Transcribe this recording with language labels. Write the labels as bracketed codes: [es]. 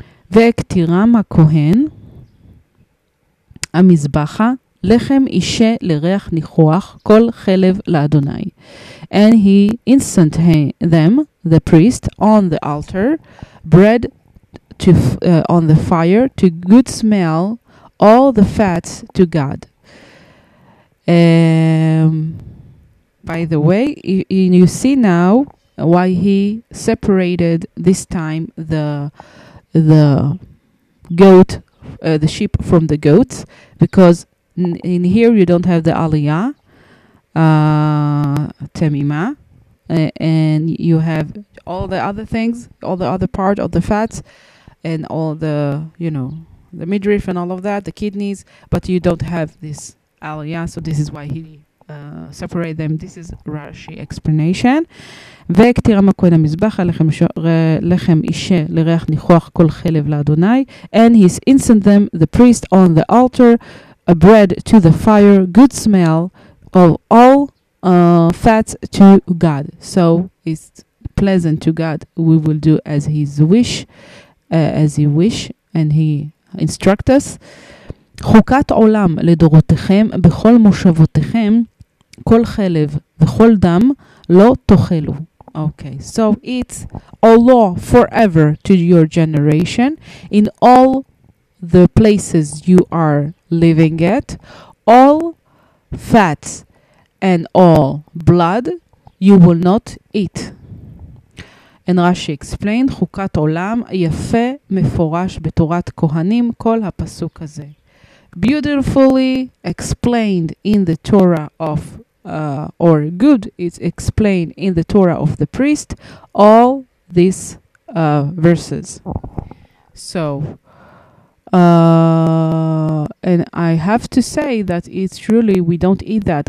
[he] וכתירם הכהן המזבחה לחם אישה לריח ניחוח כל חלב לאדוני. [en] And he instant them, the priest, on the altar, bread to on the fire to good smell all the fats to God. By the way, you see now why he separated this time the goat, the sheep from the goats, because in here you don't have the aliyah, temima, and you have all the other things, all the other part of the fats, and all the, you know, the midriff and all of that, the kidneys, but you don't have this aliyah, so this is why he separate them. This is Rashi explanation. [he] וכתירה מכהן המזבחה לחם אישה לריח ניחוח כל חלב לאדוני. [en] And he incense them, the priest, on the altar, a bread to the fire, good smell of all fats to God. So it's pleasant to God. We will do as his wish, as he wish, and he instruct us. [he] חוקת עולם לדורותיכם בכל מושבותיכם כל חלב וכל דם לא תאכלו. [en] Okay, so it's a law forever to your generation in all the places you are living at. All fats and all blood you will not eat. And Rashi explained, [he] חוקת עולם יפה מפורש בתורת כהנים כל הפסוק הזה. [en] Beautifully explained in the Torah of or good, it's explained in the Torah of the priest, all these verses. So, and I have to say that it's truly, we don't eat that.